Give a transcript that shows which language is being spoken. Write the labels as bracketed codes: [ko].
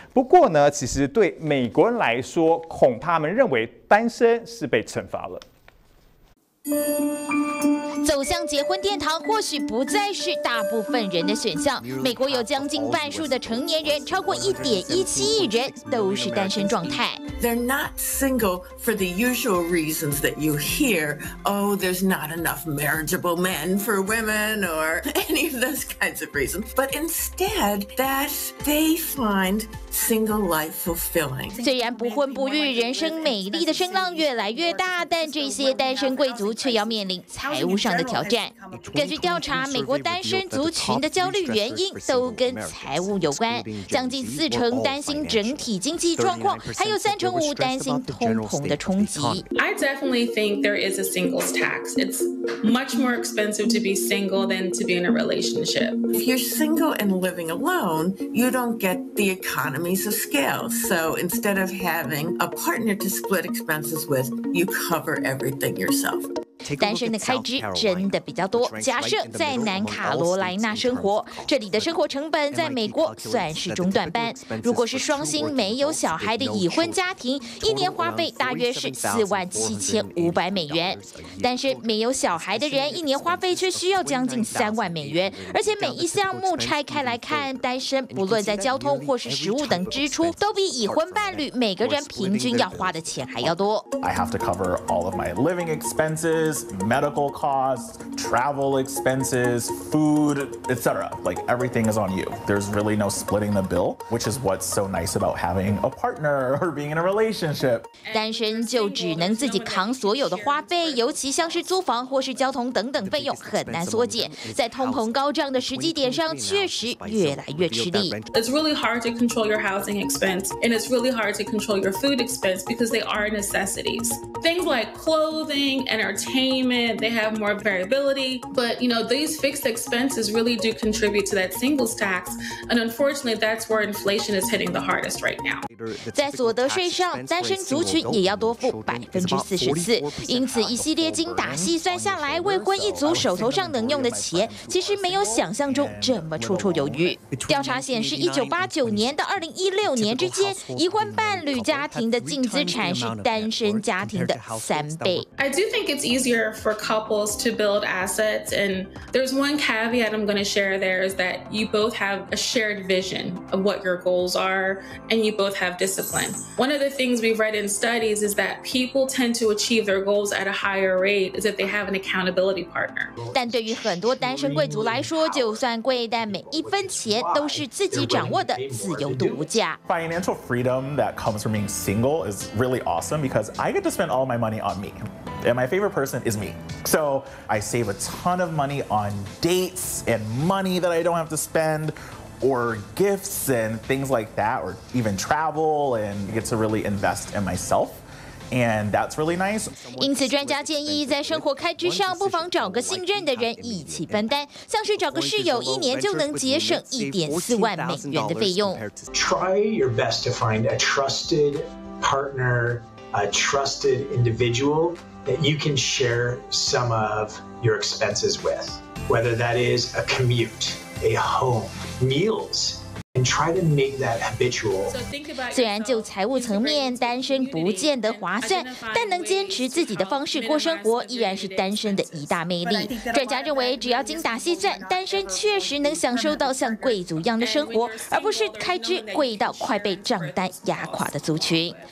[zh] 不过呢，其实对美国人来说，恐怕他们认为单身是被惩罚了。走向结婚殿堂或许不再是大部分人的选项。美国有将近半数的成年人，超过1.17亿人都是单身状态。 [en] They're not single for the usual reasons that you hear. Oh, there's not enough marriageable men for women or any of those kinds of reasons. But instead, that they find single life fulfilling. [zh] 虽然不婚不育，人生美丽的声浪越来越大，但这些单身贵族却要面临财务上的挑战。根据调查，美国单身族群的焦虑原因都跟财务有关，将近四成担心整体经济状况，还有35%担心通膨的冲击。 [en] I definitely think there is a singles tax. It's much more expensive to be single than to be in a relationship. If you're single and living alone, you don't get the economies of scale. So instead of having a partner to split expenses with, you cover everything yourself. [zh] 单身的开支真的比较多。假设在南卡罗来纳生活，这里的生活成本在美国算是中段班。如果是双薪没有小孩的已婚家庭，一年花费大约是$47,500。但是没有小孩的人，一年花费却需要将近$30,000。而且每一项目拆开来看，单身不论在交通或是食物等支出，都比已婚伴侣每个人平均要花的钱还要多。 [en] I have to cover all of my living expenses. Medical costs, travel expenses, food, etc. Like everything is on you. There's really no splitting the bill, which is what's so nice about having a partner or being in a relationship. [zh] 单身就只能自己扛所有的花费，尤其像是租房或是交通等等费用很难缩减，在通膨高涨的时机点上确实越来越吃力。 [en] It's really hard to control your housing expense, and it's really hard to control your food expense because they are necessities. Things like clothing and entertainment, they have more variability, but you know, these fixed expenses really do contribute to that singles tax, and unfortunately, that's where inflation is hitting the hardest right now. [zh] 在所得税上，单身族群也要多付44%，因此一系列精打细算下来，未婚一族手头上能用的钱其实没有想象中这么绰绰有余。调查显示，1989年到2016年之间，已婚伴侣家庭的净资产是单身家庭的3倍。 [en] I do think it's easier easier for couples to build assets. And there's one caveat I'm going to share there is that you both have a shared vision of what your goals are, and you both have discipline. One of the things we've read in studies is that people tend to achieve their goals at a higher rate is if they have an accountability partner. [zh] 但对于很多单身贵族来说，就算贵，但每一分钱都是自己掌握的，自由度无价。 [en] Financial freedom that comes from being single is really awesome because I get to spend all my money on me. And my favorite person is me. So I save a ton of money on dates and money that I don't have to spend, or gifts and things like that, or even travel, and get to really invest in myself. And that's really nice. [zh] 因此专家建议在生活开支上不妨找个信任的人一起分担，像是找个室友，一年就能节省$14,000的费用。 [en] Try your best to find a trusted partner, a trusted individual. That you can share some of your expenses with, whether that is a commute, a home, meals, and try to make that habitual. [zh] 虽然就财务层面，单身不见得划算，但能坚持自己的方式过生活，依然是单身的一大魅力。专家认为，只要精打细算，单身确实能享受到像贵族一样的生活，而不是开支贵到快被账单压垮的族群。